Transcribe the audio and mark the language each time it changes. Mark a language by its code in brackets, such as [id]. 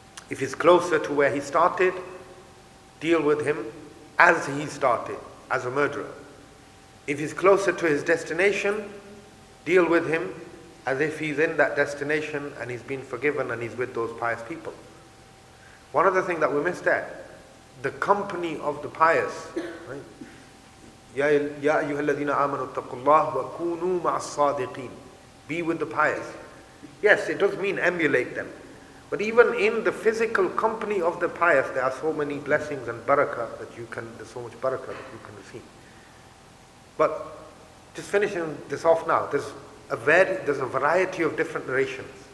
[en] If he's closer to where he started, deal with him as he started, as a murderer. If he's closer to his destination, deal with him as if he's in that destination and he's been forgiven and he's with those pious people. One other thing that we missed there, the company of the pious. [ar] يا أيها الذين آمنوا اتقوا الله وكونوا مع الصادقين. [en] Be with the pious. Yes, it does mean emulate them. But even in the physical company of the pious, there are so many blessings and barakah that you can, there's so much barakah that you can receive. But just finishing this off now, there's a variety of different narrations.